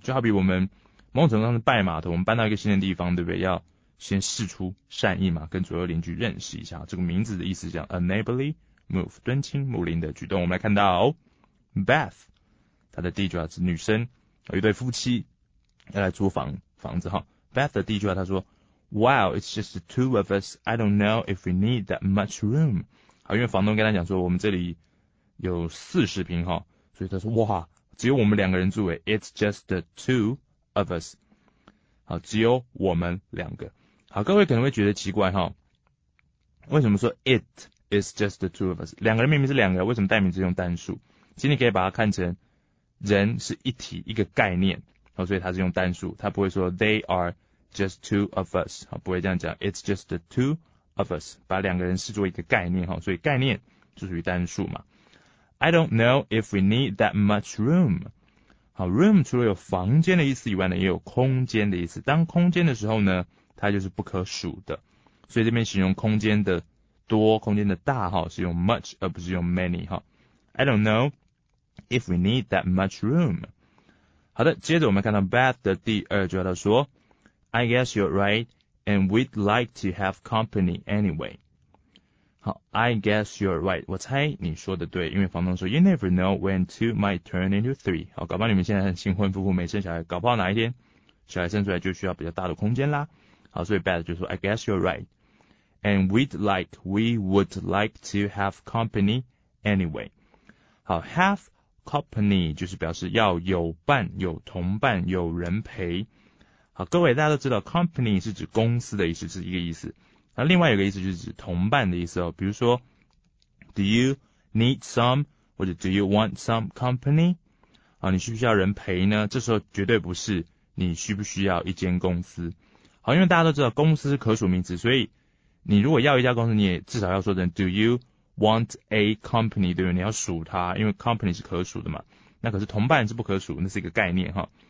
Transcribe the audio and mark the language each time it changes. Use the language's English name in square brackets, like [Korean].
[Chinese] 就好比我们某种程度上是拜码头，我们搬到一个新的地方，对不对？要先释出善意嘛，跟左右邻居认识一下。这个名字的意思叫 [English] a neighborly move， [Chinese] 敦亲睦邻的举动。我们来看到 Beth， 她的第一句话是女生。有一对夫妻要来租房子哈。 [English] Beth [Chinese] 的第一句话，他说 [English] ：“Wow, it's just the two of us. I don't know if we need that much room。” [Chinese] 好，因为房东跟他讲说，我们这里有40平哈，所以他说：“哇，只有我们两个人住诶。 [English] ”It's just the two of us。 [Chinese] 好，只有我们两个。好，各位可能会觉得奇怪哈，为什么说 [English] it is just the two of us？ [Chinese] 两个人明明是两个，为什么代名词用单数？其实你可以把它看成。人是一体一个概念，所以他是用单数，他不会说 [English] they are just two of us， [Chinese] 不会这样讲 [English] it's just the two of us， [Chinese] 把两个人视作一个概念，所以概念就属于单数嘛。 [English] I don't know if we need that much room。 [Chinese] 好， room 除了有房间的意思以外呢，也有空间的意思，当空间的时候呢，它就是不可数的，所以这边形容空间的多，空间的大是用 much 而不是用 many。 [English] I don't knowIf we need that much room. [Chinese] 好的，接着我们看到 Beth 的第二句话，他说 [English] I guess you're right, and we'd like to have company anyway. 好， I guess you're right. [Chinese] 我猜你说的对，因为房东说 [English] You never know when two might turn into three. [Chinese] 好，搞不好你们现在新婚夫妇没生小孩，搞不好哪一天小孩生出来就需要比较大的空间啦。好，所以 Beth 就说 [English] I guess you're right, and we would like to have company anyway. [Chinese] 好， haveCompany 就是表示要有伴、有同伴、有人陪。好，各位大家都知道 ，company 是指公司的意思，是一个意思。那另外有个意思就是指同伴的意思哦。比如说 [English] ，Do you need some [Chinese] 或者 [English] Do you want some company？ [Chinese] 好，你需不需要人陪呢？这时候绝对不是你需不需要一间公司。好，因为大家都知道公司是可数名词，所以你如果要一家公司，你也至少要说成 [English] Do you。 Want a company， [Chinese] 对不对？你要数它，因为 company 是可数的嘛。那可是同伴是不可数，那是一个概念哈。